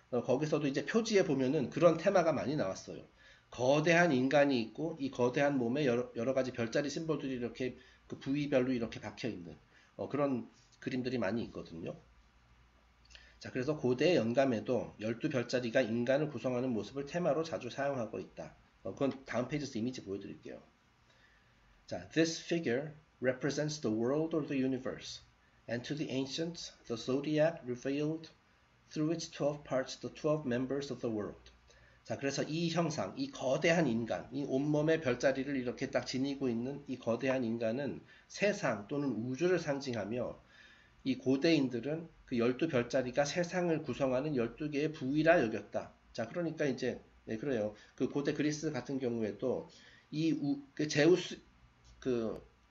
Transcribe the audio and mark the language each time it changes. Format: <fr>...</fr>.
<ko>거기서도 이제 표지에 보면은 그런 테마가 많이 나왔어요. 거대한 인간이 있고, 이 거대한 몸에 여러 가지 별자리 심볼들이 이렇게 그 부위별로 이렇게 박혀 있는 그런 그림들이 많이 있거든요. 자, 그래서 고대의 연감에도 12 별자리가 인간을 구성하는 모습을 테마로 자주 사용하고 있다. 그건 다음 페이지에서 이미지 보여드릴게요.</ko> <en>자, this figure represents the world or the universe, and to the ancients, the zodiac revealed through its 12 parts the 12 members of the world.</en> <ko>자, 그래서 이 형상, 이 거대한 인간, 이 온몸의 별자리를 이렇게 딱 지니고 있는 이 거대한 인간은 세상 또는 우주를 상징하며, 이 고대인들은 그 12 별자리가 세상을 구성하는 12개의 부위라 여겼다. 자, 그러니까 이제, 네, 그래요. 그 고대 그리스 같은 경우에도 이 우, 그 제우스, 그,</ko>